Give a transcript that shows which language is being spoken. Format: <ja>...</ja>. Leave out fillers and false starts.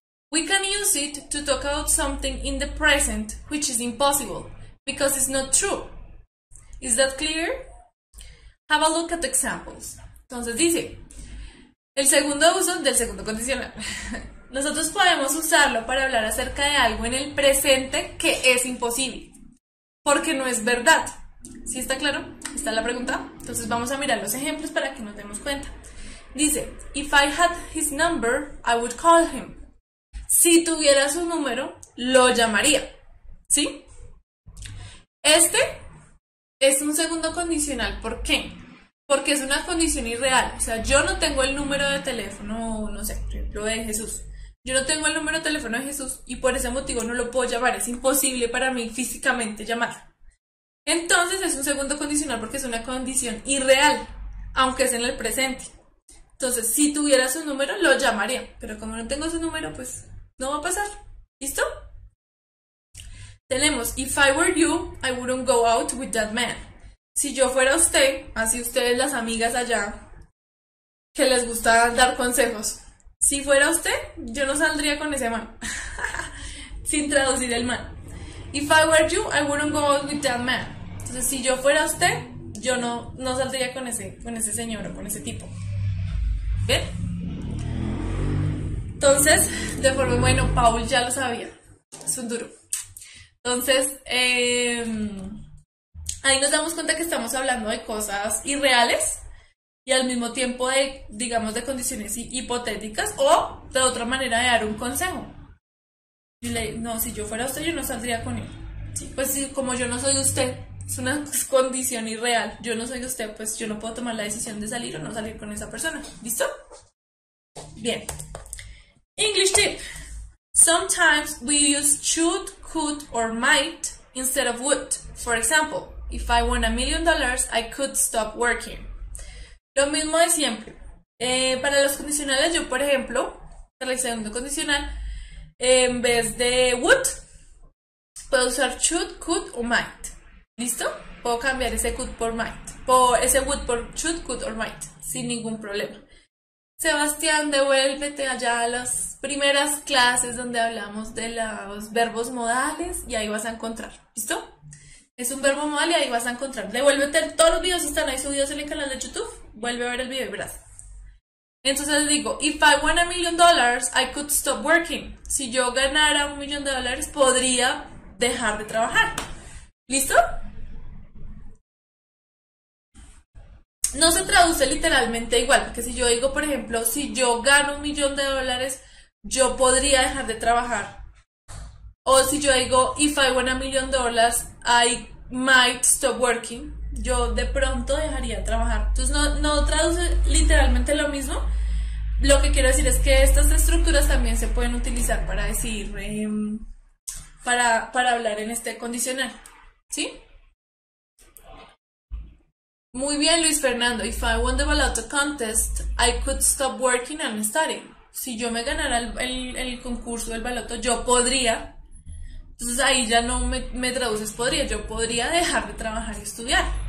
<en>We can use it to talk about something in the present, which is impossible, because it's not true. Is that clear? Have a look at the examples.</en> <es>Entonces dice, el segundo uso del segundo condicional. Nosotros podemos usarlo para hablar acerca de algo en el presente que es imposible, porque no es verdad. ¿Sí está claro? ¿Está la pregunta? Entonces vamos a mirar los ejemplos para que nos demos cuenta.</es> <en>Dice, if I had his number, I would call him.</en> <es>Si tuviera su número, lo llamaría. ¿Sí? Este es un segundo condicional. ¿Por qué? Porque es una condición irreal. O sea, yo no tengo el número de teléfono, no sé, lo de Jesús. Yo no tengo el número de teléfono de Jesús y por ese motivo no lo puedo llamar. Es imposible para mí físicamente llamar. Entonces es un segundo condicional porque es una condición irreal, aunque es en el presente. Entonces, si tuviera su número, lo llamaría. Pero como no tengo su número, pues no va a pasar. ¿Listo?</es> <en>Tenemos, if I were you, I wouldn't go out with that man.</en> <es>Si yo fuera usted, así ustedes las amigas allá, que les gusta dar consejos. Si fuera usted, yo no saldría con ese man. Sin traducir el man.</es> <en>If I were you, I wouldn't go out with that man.</en> <es>Entonces, si yo fuera usted, yo no saldría con ese señor o con ese tipo. ¿Bien? Entonces, de forma, bueno, Paul ya lo sabía. Es un duro. Entonces, ahí nos damos cuenta que estamos hablando de cosas irreales y al mismo tiempo de, digamos, de condiciones hipotéticas o de otra manera de dar un consejo. Y le digo, no, si yo fuera usted, yo no saldría con él. Sí, pues sí, como yo no soy usted, es una condición irreal, yo no soy usted, pues yo no puedo tomar la decisión de salir o no salir con esa persona. ¿Listo? Bien.</es> <en>English tip. Sometimes we use should, could or might instead of would. For example, if I won $1,000,000, I could stop working.</en> <es>Lo mismo de siempre. Para los condicionales, yo, por ejemplo, para el segundo condicional, en vez de would, puedo usar should, could o might. ¿Listo? Puedo cambiar ese could por might. Ese would por should, could o might. Sin ningún problema. Sebastián, devuélvete allá a las primeras clases donde hablamos de los verbos modales y ahí vas a encontrar. ¿Listo? Es un verbo modal y ahí vas a encontrar. Devuélvete, todos los videos están ahí subidos en el canal de YouTube. Vuelve a ver el video y verás. Entonces digo,</es> <en>if I won $1,000,000, I could stop working.</en> <es>Si yo ganara $1,000,000, podría dejar de trabajar. ¿Listo? No se traduce literalmente igual, porque si yo digo, por ejemplo, si yo gano $1,000,000, yo podría dejar de trabajar. O si yo digo,</es> <en>if I won $1,000,000, I might stop working.</en> <es>yo de pronto dejaría trabajar. Entonces no traduce literalmente lo mismo. Lo que quiero decir es que estas estructuras también se pueden utilizar para decir, para hablar en este condicional. ¿Sí? Muy bien, Luis Fernando.</es> <en>If I won the Balloto contest, I could stop working and study.</en> <es>Si yo me ganara el concurso del Balloto, yo podría. Entonces ahí ya no me traduces podría, yo podría dejar de trabajar y estudiar.</es>